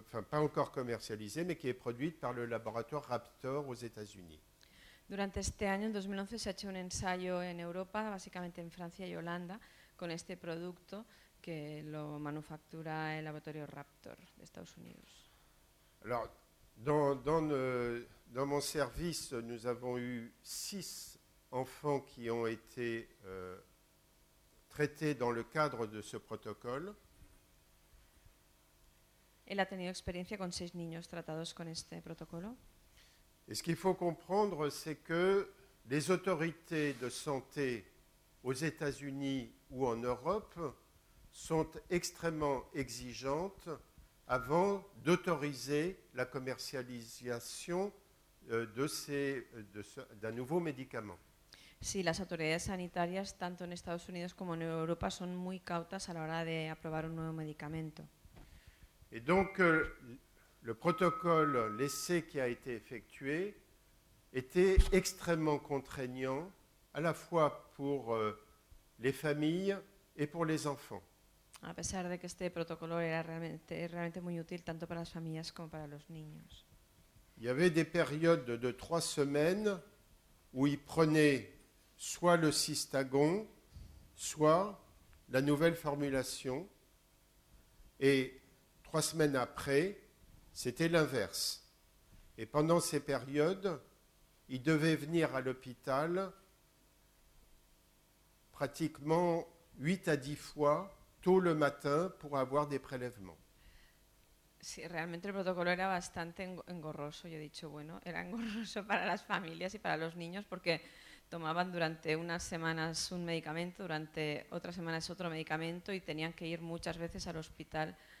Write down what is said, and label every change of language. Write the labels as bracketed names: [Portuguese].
[French] pas encore commercialisée, mais qui est produite par le laboratoire Raptor aux États-Unis. [Spanish] Durante este año, en 2011, se ha hecho un ensayo en Europa, básicamente en Francia y Holanda, con este producto que lo manufactura el laboratorio Raptor de Estados Unidos. [French] Alors, dans mon service, nous avons eu 6 enfants qui ont été traités dans le cadre de ce protocole. [Spanish] Él ha tenido experiencia con 6 niños tratados con este protocolo. [French] Et ce qu'il faut comprendre, c'est que les autorités de santé aux États-Unis ou en Europe sont extrêmement exigeantes avant d'autoriser la commercialisation d'un nouveau médicament. [Spanish] Sí, las autoridades sanitarias, tanto en Estados Unidos como en Europa, son muy cautas a la hora de aprobar un nuevo medicamento. [French] Et donc, le protocole, l'essai qui a été effectué, était extrêmement contraignant, à la fois pour les familles et pour les enfants. [Spanish] A pesar de que este protocolo era realmente muy útil, tanto para las familias como para los niños. [French] Il y avait des périodes de 3 semaines où ils prenaient soit le cystagon, soit la nouvelle formulation, et 3 semaines après, c'était l'inverse. Et pendant ces périodes, ils devaient venir à l'hôpital pratiquement 8 à 10 fois tôt le matin pour avoir des prélèvements. [Spanish] Sí, realmente el protocolo era bastante engorroso, yo he dicho, bueno, era engorroso para las familias y para los niños porque tomaban durante unas semanas un medicamento, durante otras semanas otro medicamento y tenían que ir muchas veces al hospital.